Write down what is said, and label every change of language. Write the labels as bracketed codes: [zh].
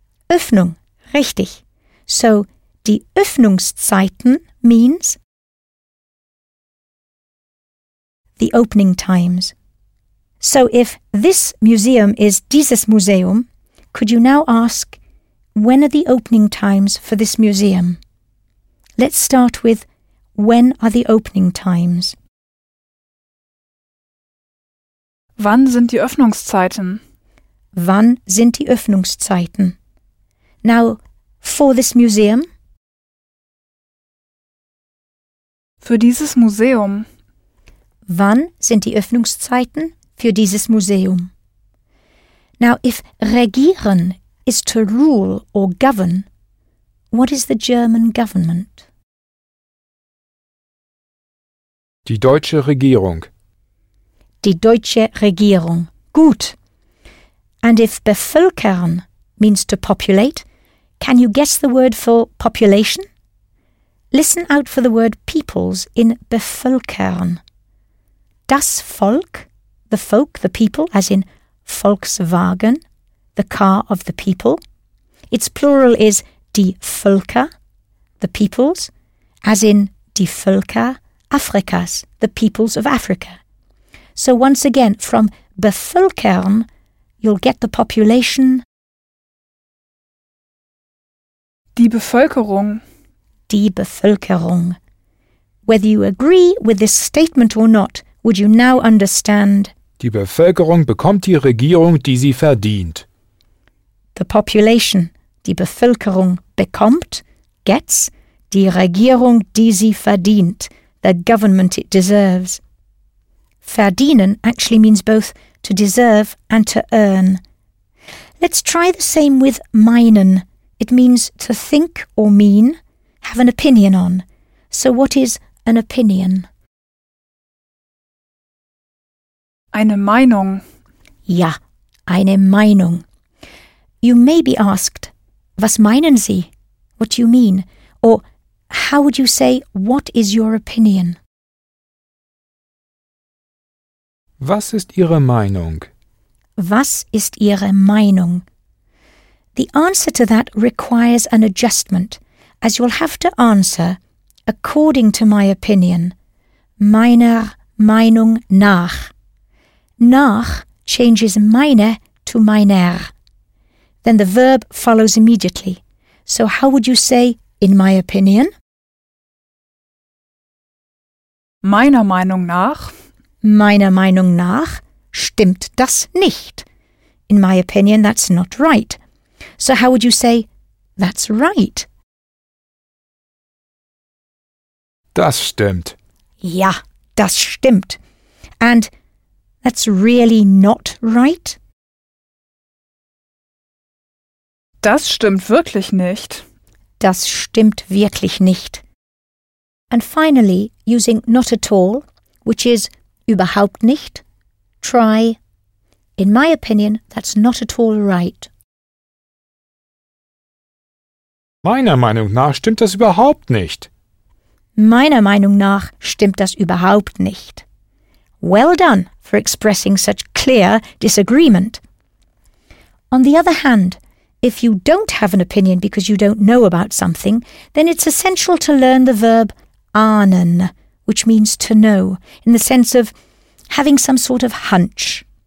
[de] Öffnung, richtig. So, die Öffnungszeiten [en] means the opening times. So, if this museum is [de] dieses Museum, [en] could you now ask, when are the opening times for this museum? Let's start with, when are the opening times? [de] Wann sind die Öffnungszeiten? Wann sind die Öffnungszeiten? [en] Now, for this museum? [de] Für dieses Museum. Wann sind die Öffnungszeiten für dieses Museum? [en] Now, if regieren is to rule or govern, what is the German government? [de] Die deutsche Regierung. Die deutsche Regierung. Gut. [en] And if bevölkern means to populate, can you guess the word for population? Listen out for the word peoples in bevölkern. [de] Das Volk, [en] the folk, the people, as in Volkswagen, the car of the people. Its plural is [de] die Völker, [en] the peoples, as in [de] die Völker Afrikas, [en] the peoples of Africa. So once again, from bevölkern, you'll get the population. [de] Die Bevölkerung. Die Bevölkerung. [en] Whether you agree with this statement or not, would you now understand? [de] Die Bevölkerung bekommt die Regierung, die sie verdient. [en] The population. [de] Die Bevölkerung bekommt, [en] gets, [de] die Regierung, die sie verdient. [en] The government it deserves. Verdienen actually means both to deserve and to earn. Let's try the same with meinen. It means to think or mean, have an opinion on. So what is an opinion? [de] Eine Meinung. Ja, eine Meinung. [en] You may be asked, [de] was meinen Sie? [en] What do you mean? Or how would you say, what is your opinion? [de] Was ist Ihre Meinung? Was ist Ihre Meinung? [en] The answer to that requires an adjustment, as you'll have to answer, according to my opinion, [de] meiner Meinung nach. [en] Nach changes meine to meiner. Then the verb follows immediately. So how would you say, in my opinion? [de] Meiner Meinung nach. Meiner Meinung nach stimmt das nicht. [en] In my opinion, that's not right. So how would you say, that's right? [de] Das stimmt. Ja, das stimmt. [en] And that's really not right? [de] Das stimmt wirklich nicht. Das stimmt wirklich nicht. [en] And finally, using not at all, which is [de] überhaupt nicht, [en] try, in my opinion, that's not at all right. [de] Meiner Meinung nach stimmt das überhaupt nicht. Meiner Meinung nach stimmt das überhaupt nicht. [en] Well done for expressing such clear disagreement. On the other hand, if you don't have an opinion because you don't know about something, then it's essential to learn the verb ahnen, which means to know, in the sense of having some sort of hunch.